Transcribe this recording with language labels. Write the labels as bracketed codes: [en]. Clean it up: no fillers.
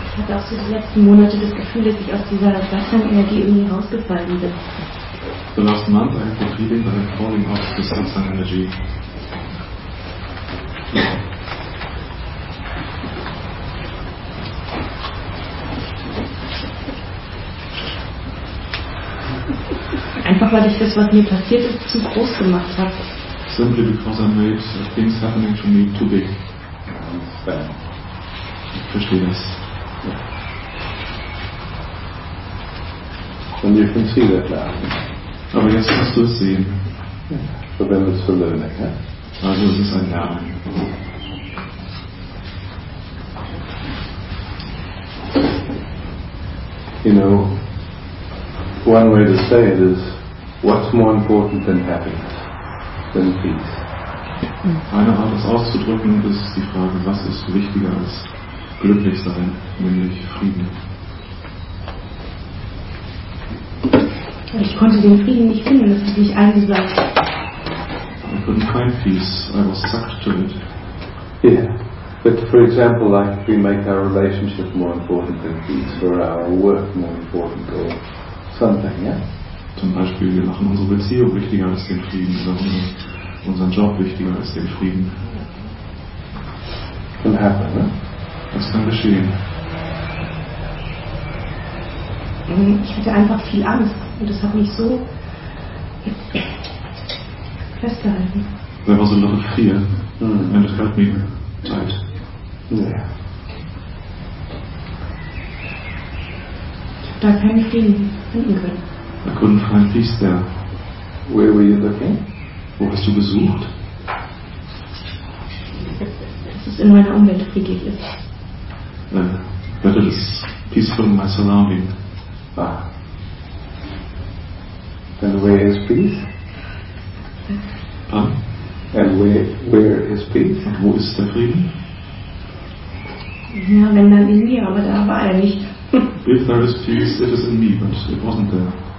[de] Hast du die letzten Monate das Gefühl, dass ich aus dieser Wasserenergie irgendwie rausgefallen bin? [en] The last month I have been feeling that I'm falling off this Wasser energy. [de] Einfach weil ich das, was mir passiert ist, zu groß gemacht habe. [en] Simply because I made things happening to me too big. [de] Ich verstehe das. [en] And you can see that now. [de] Aber jetzt kannst du es sehen. [en] For them it's for learning, ja? [de] Also es ist ein Lernen. [en] You know, one way to say it is, what's more important than happiness, than peace? [de] Eine Art, das auszudrücken, ist die Frage, was ist wichtiger als glücklich sein, nämlich Frieden. Ich konnte den Frieden nicht finden, das hat mich eingesagt. [en] I couldn't find peace, I was sucked to it. Yeah, but for example, like if we make our relationship more important than peace, or our work more important, or something, yeah? [de] Zum Beispiel, wir machen unsere Beziehung wichtiger als den Frieden, oder unseren Job wichtiger als den Frieden. [en] Can happen, ne? [de] Das kann geschehen. Ich hatte einfach viel Angst. Und das hat mich so festgehalten. [en] There was a lot of fear, and it held me tight. Yeah. [de] Ich habe da keinen Frieden finden können. [en] I couldn't find peace there. Where were you looking? [de] Wo hast du gesucht? Dass es in meiner Umwelt friedlich ist. [en] That it is peaceful in my surrounding. Ah. And where is peace? Pardon? And where is peace? [de] Und wo ist der Frieden? Ja, wenn dann in mir, aber da war er nicht. [en] If there is peace, it is in me, but it wasn't there.